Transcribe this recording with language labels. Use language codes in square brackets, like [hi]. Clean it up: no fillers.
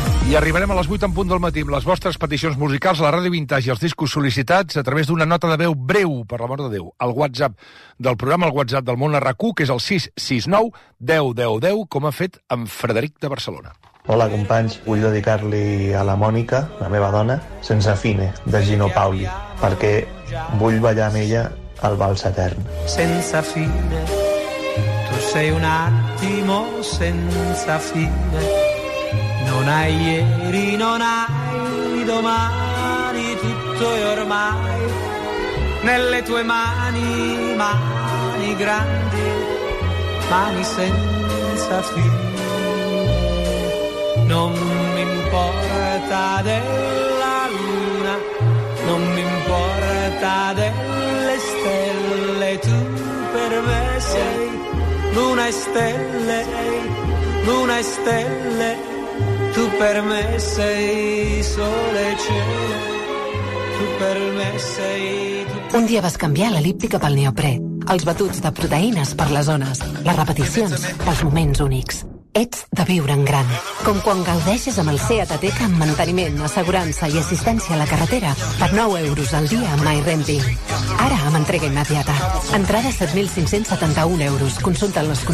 [ca] I arribarem a les 8 en punt del matí amb les vostres peticions musicals a la Ràdio Vintage i els discos sol·licitats a través d'una nota de veu breu, per l'amor de Déu, al WhatsApp del programa, al WhatsApp del Món RAC1, que és el 669-1010-10, com ha fet en Frederic de Barcelona. Hola, companys. Vull dedicar-li a la Mònica, la meva dona, Sense Fine, de Gino Paoli, perquè vull ballar amb ella el vals etern. [it] Sense fine, tu sei un attimo senza fine. Non hai ieri, non hai domani, tutto è ormai nelle tue mani, mani grandi, mani senza fine. Non mi importa della luna, non mi importa delle stelle, tu per me sei luna e stelle, luna e stelle. Tu per me sei sole e cielo, tu per me sei... [ca] Un dia vas canviar l'elíptica pel neoprè, els batuts de proteïnes per les ones, les repeticions pels moments únics. Ets de viure en gran, com quan gaudeixes amb el Seat Ateca amb manteniment, assegurança i assistència a la carretera per 9 euros al dia amb MyRenting. Ara amb entrega immediata. Entrada 7.571 euros. Consulta les condicions.